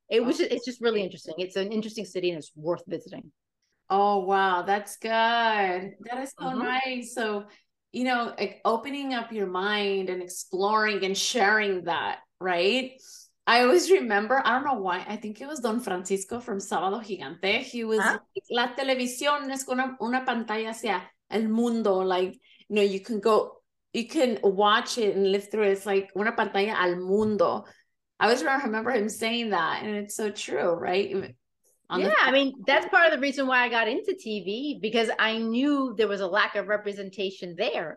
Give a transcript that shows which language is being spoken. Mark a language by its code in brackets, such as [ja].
[en] It's just really interesting. It's an interesting city and it's worth visiting. Oh, wow. That's good. That is so nice. So, you know, like opening up your mind and exploring and sharing that, right? I always remember, I don't know why, I think it was Don Francisco from Sábado Gigante. He was like, [es] la televisión es con una pantalla hacia el mundo. [en] Like, you know, you can watch it and live through it. It's like [es] una pantalla al mundo. [en] I always remember him saying that. And it's so true, right? Yeah, I mean, that's part of the reason why I got into TV, because I knew there was a lack of representation there.